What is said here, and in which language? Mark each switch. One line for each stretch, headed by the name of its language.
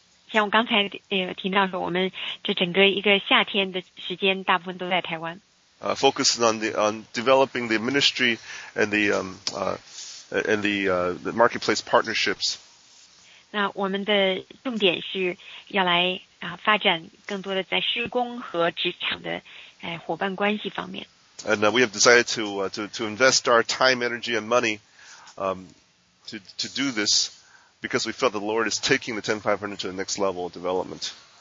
Chinese: 像我刚才提到说，我们这整个一个夏天的时间，大部分都在台湾。
English: Focused on the developing the ministry and the the marketplace partnerships.
Chinese: 那我们的重点是要来发展更多的在施工和职场的伙伴关系方面。And
English: we have decided to invest our time, energy, and money to do this because we felt the Lord is taking the 10500 to the next level of development.